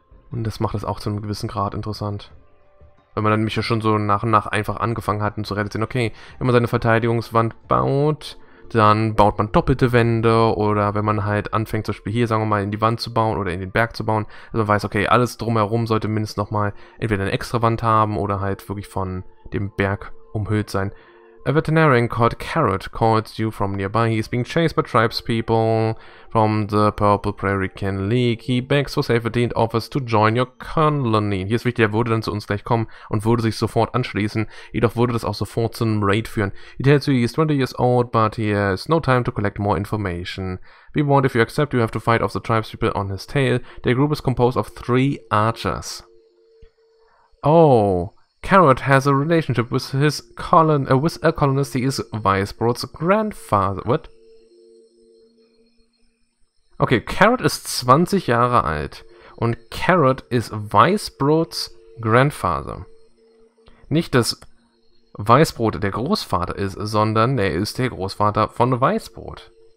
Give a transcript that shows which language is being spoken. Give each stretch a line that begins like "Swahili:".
German: Und das macht das auch zu einem gewissen Grad interessant. Wenn man dann nämlich ja schon so nach und nach einfach angefangen hat und zu realisieren, okay, wenn man seine Verteidigungswand baut, dann baut man doppelte Wände oder wenn man halt anfängt zum Beispiel hier, sagen wir mal, in die Wand zu bauen oder in den Berg zu bauen, dann weiß, okay, alles drumherum sollte mindestens nochmal entweder eine extra Wand haben oder halt wirklich von dem Berg umhüllt sein.
English: A veterinarian called Carrot calls you from nearby. He is being chased by tribespeople from the Purple Prairie Can League. He begs for safety and offers to join your colony.
German: Hier ist wichtig, er würde dann zu uns gleich kommen und würde sich sofort anschließen. Jedoch würde das auch sofort zu einem Raid führen.
English: He tells you he is 20 years old, but he has no time to collect more information. Be warned, if you accept, you have to fight off the tribespeople on his tail. Their group is composed of three archers. Oh. Carrot has a relationship with his colon, with a colonist. He is Weißbrot's grandfather. What?
German: Okay, Carrot ist 20 Jahre alt und Carrot ist Weißbrot's grandfather. Nicht, dass Weißbrot der Großvater ist, sondern er ist der Großvater von Weißbrot.